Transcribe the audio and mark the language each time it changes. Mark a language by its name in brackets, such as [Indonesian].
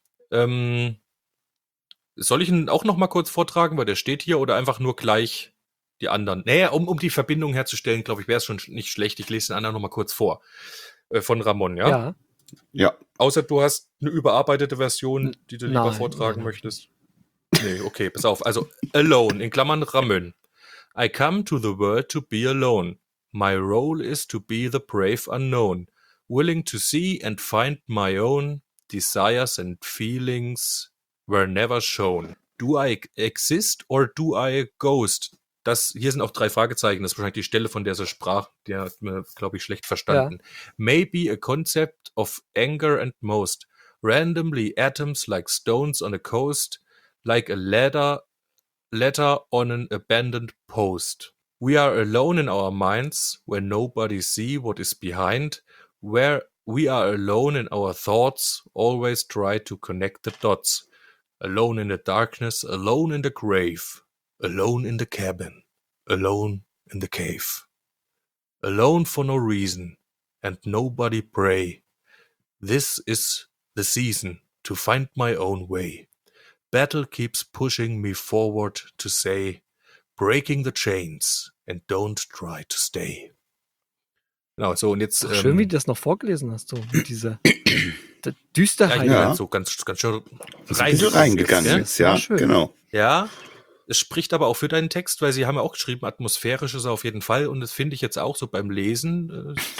[German] Soll ich ihn auch noch mal kurz vortragen, weil der steht hier, oder einfach nur gleich die anderen? Naja, um die Verbindung herzustellen, glaube ich, wäre es schon nicht schlecht. Ich lese den anderen noch mal kurz vor. Von Ramon, ja? Ja. Ja. Außer du hast eine überarbeitete Version, die du lieber vortragen möchtest. Nee, okay, pass auf. Also, Alone, in Klammern Ramön. [English] I come to the world to be alone. My role is to be the brave unknown. Willing to see and find my own desires and feelings were never shown. Do I exist or do I a ghost? [German] Das, hier sind auch drei Fragezeichen. Das ist wahrscheinlich die Stelle, von der sie sprach. Die hat mir, glaube ich, schlecht verstanden. Ja. [English] Maybe a concept of anger and most. Randomly atoms like stones on a coast. Like a letter on an abandoned post. We are alone in our minds, where nobody see what is behind. Where we are alone in our thoughts, always try to connect the dots. Alone in the darkness, alone in the grave. Alone in the cabin, alone in the cave, alone for no reason, and nobody pray. This is the season to find my own way. Battle keeps pushing me forward to say, breaking the chains, and don't try to stay. [German] Genau, so, und jetzt, schön, wie du das noch vorgelesen hast, so mit dieser Düsterheit. Ja, so ganz schön reingegangen jetzt, ja, schön. Genau. Ja. Es spricht aber auch für deinen Text, weil sie haben ja auch geschrieben, atmosphärisch ist er auf jeden Fall. Und das finde ich jetzt auch so beim Lesen.